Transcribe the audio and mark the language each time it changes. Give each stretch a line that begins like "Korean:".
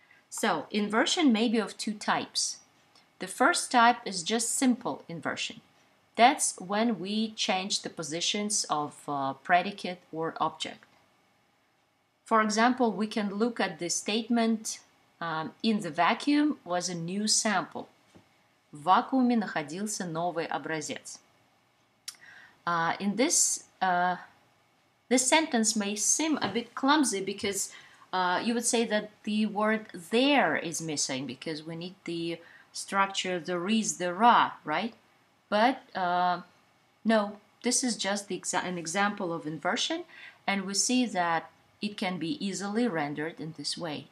English: So, inversion may be of two types. The first type is just simple inversion. That's when we change the positions of predicate or object. For example, we can look at the statement in the vacuum was a new sample.
Russian: В вакууме находился новый образец.
English: In this sentence may seem a bit clumsy because You would say that the word there is missing because we need the structure there is, there are, right? But no, this is just an example of inversion, and we see that it can be easily rendered in this way.